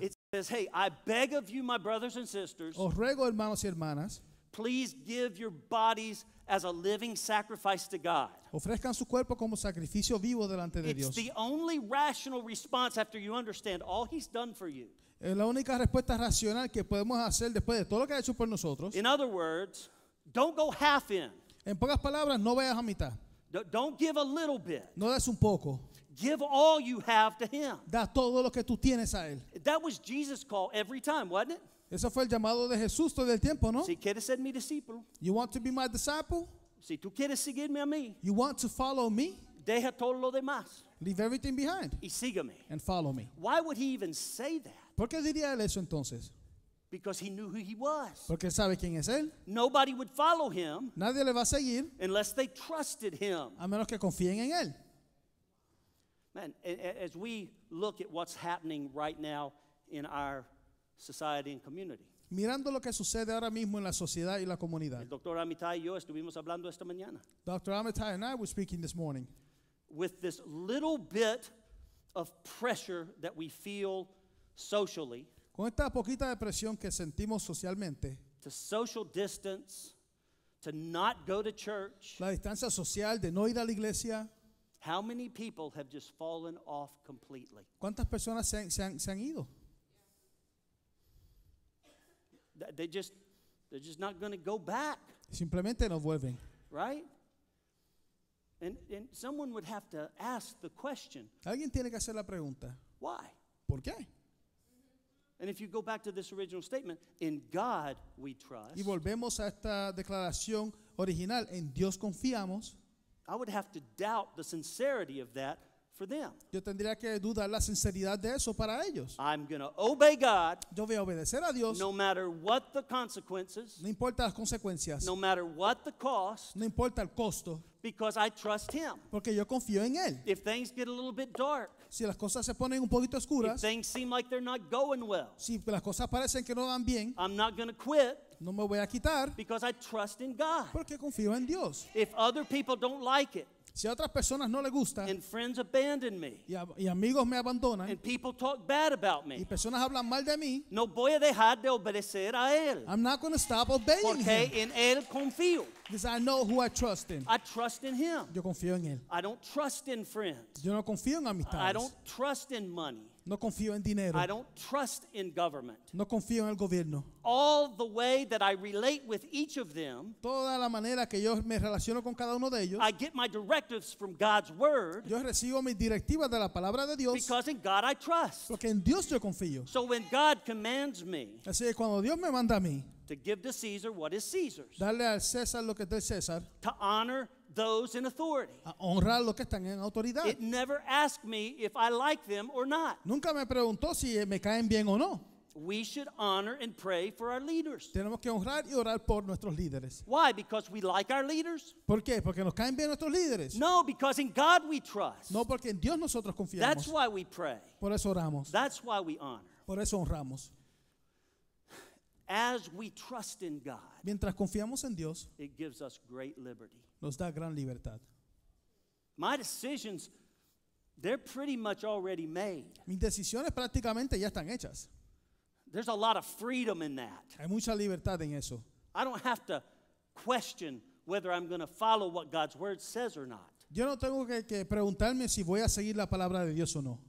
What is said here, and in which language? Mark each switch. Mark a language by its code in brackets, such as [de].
[en] It says, hey, I beg of you, my brothers and sisters, [es] os ruego, hermanos y hermanas, [en] please give your bodies as a living sacrifice to God. [es] Ofrezcan su cuerpo como sacrificio vivo delante de Dios. [en] It's the only rational response after you understand all he's done for you. [es] Es la única respuesta racional que podemos hacer después de todo lo que ha hecho por nosotros. [en] In other words, don't go half in. [es] En pocas palabras, no vayas a mitad. [en] Don't give a little bit. [es] No des un poco. [en] Give all you have to him. [es] Da todo lo que tú tienes a él. [en] That was Jesus' call every time, wasn't it? [es] Eso fue el llamado de Jesús todo el tiempo, ¿no? Si quieres ser mi discípulo. [en] You want to be my disciple? [es] Si tú quieres seguirme a mí. [en] You want to follow me? [es] Deja todo lo demás. [en] Leave everything behind. [es] Y sígueme. [en] And follow me. Why would he even say that? [es] ¿Por qué diría él eso entonces? [en] Because he knew who he was. [es] Porque sabe quién es él. [en] Nobody would follow him. [es] Nadie le va a seguir. [en] Unless they trusted him. [es] A menos que confíen en él. [en] Man, as we look at what's happening right now in our society and community. [es] Mirando lo que sucede ahora mismo en la sociedad y la comunidad. El doctor Amitai y yo estuvimos hablando esta mañana. [en] Dr. Amitai and I were speaking this morning. With this little bit of pressure that we feel socially. [es] Con esta poquita de presión que sentimos socialmente. [en] To social distance, to not go to church. [es] La distancia social de no ir a la iglesia. [en] How many people have just fallen off completely? [es] ¿Cuántas personas se han ido? [en] They're just not going to go back. [es] Simplemente no vuelven. [en] Right? And someone would have to ask the question. [es] Alguien tiene que hacer la pregunta. [en] Why? [es] ¿Por qué? [en] And if you go back to this original statement, in God we trust. [es] Y volvemos a esta declaración original, en Dios confiamos. [en] I would have to doubt the sincerity of that for them. [es] Yo tendría que dudar la sinceridad de eso para ellos. [en] I'm going to obey God. [es] Yo voy a obedecer a Dios. [en] No matter what the consequences. [es] No importa las consecuencias. [en] No matter what the cost. [es] No importa el costo. [en] Because I trust him. [es] Porque yo confío en él. [en] If things get a little bit dark. [es] Si las cosas se ponen un poquito oscuras. [en] If things seem like they're not going well. [es] Si las cosas parecen que no van bien. [en] I'm not going to quit. [es] No me voy a quitar. [en] Because I trust in God. [es] Porque confío en Dios. [en] If other people don't like it. [es] Si a otras personas no le gusta. [en] And friends abandon me. [es] Y amigos me abandonan. [en] And people talk bad about me. [es] Y personas hablan mal de mí. No voy a dejar de obedecer a él. [en] I'm not going to stop obeying [es] Porque [en] him. [es] Porque en él confío. [en] Because I know who I trust in. I trust in him. [es] Yo confío en él. [en] I don't trust in friends. [es] Yo no confío en amistades. [en] I don't trust in money. [es] No confío en dinero. [en] I don't trust in government. [es] No confío en el gobierno. [en] All the way that I relate with each of them. [es] Toda la manera que yo me relaciono con cada uno de ellos. [en] I get my directives from God's word. [es] Yo recibo mis directivas de la palabra de Dios. [en] Because in God I trust. [es] Porque en Dios yo confío. [en] So when God commands me. [es] Así que cuando Dios me manda a mí. [en] To give to Caesar what is Caesar's. [es] Darle al César lo que es del César. [en] To honor those in authority. [es] A honrar los que están en autoridad. [en] It never asked me if I like them or not. [es] Nunca me preguntó si me caen bien o no. [en] We should honor and pray for our leaders. [es] Tenemos que honrar y orar por nuestros líderes. [en] Why? Because we like our leaders? [es] ¿Por qué? Porque nos caen bien nuestros líderes. [en] No, because in God we trust. [es] No, porque en Dios nosotros confiamos. [en] That's why we pray. [es] Por eso oramos. [en] That's why we honor. [es] Por eso honramos. [en] As we trust in God, [es] mientras confiamos en Dios, [en] it gives us great liberty. [es] Nos da gran libertad. [en] My decisions, they're pretty much already made. [es] Mis decisiones prácticamente ya están hechas. [en] There's a lot of freedom in that. [es] Hay mucha libertad en eso. [en] I don't have to question whether I'm going to follow what God's word says or not. [es] Yo no tengo que preguntarme si voy a seguir la palabra de Dios o no.